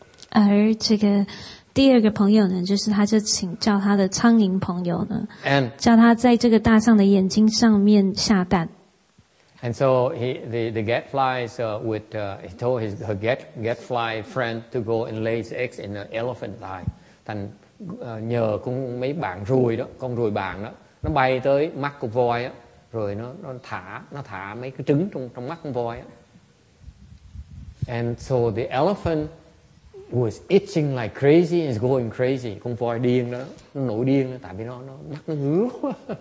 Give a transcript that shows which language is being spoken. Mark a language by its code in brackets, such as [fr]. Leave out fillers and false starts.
[zh] 而这个第二个朋友呢，就是他就请叫他的苍蝇朋友呢， [en] and, [zh] 叫他在这个大象的眼睛上面下蛋。 [en] And so the gadfly he told her gadfly friend to go and lay his eggs in an elephant's eye. [zh] 但 [vi] nhờ con mấy bạn ruồi đó, con ruồi bạn đó. Nó bay tới mắt con voi á, rồi nó thả mấy cái trứng trong mắt con voi á. [en] And so the elephant was itching like crazy, is going crazy. [vi] Con voi điên đó, nó nổi điên đó, tại vì nó mắt nó ngứa quá.